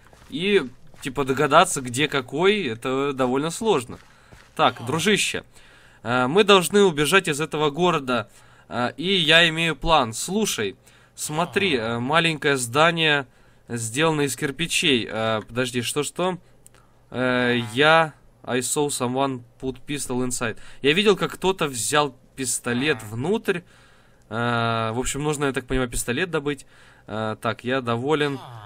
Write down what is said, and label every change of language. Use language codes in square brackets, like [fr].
[ru] И, типа, догадаться, где какой, это довольно сложно. Так, дружище, мы должны убежать из этого города. И я имею план. Слушай, смотри, маленькое здание сделано из кирпичей. Подожди, что-что? [en] I saw someone put pistol inside. [ru] Я видел, как кто-то взял пистолет внутрь. В общем, нужно, я так понимаю, пистолет добыть. Так, я доволен.